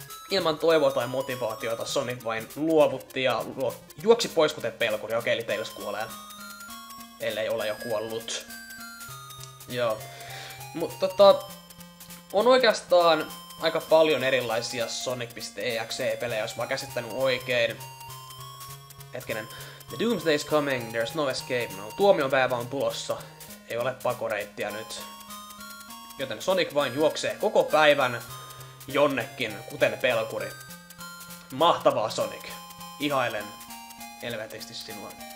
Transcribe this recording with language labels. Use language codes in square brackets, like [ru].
[fi] Ilman toivoa tai motivaatiota Sonic vain luovutti ja juoksi pois kuten pelkuri. Okei, eli Tails kuolee. Ellei ole jo kuollut. Joo. Mutta on oikeastaan aika paljon erilaisia Sonic.exe-pelejä, jos mä oon käsittänyt oikein. Hetkinen. [en] The Doomsday is coming, there's no escape. [fi] No, tuomion päivä on tulossa. Ei ole pakoreittiä nyt. Joten Sonic vain juoksee koko päivän jonnekin, kuten pelkuri. Mahtavaa, Sonic. Ihailen helvetisti sinua.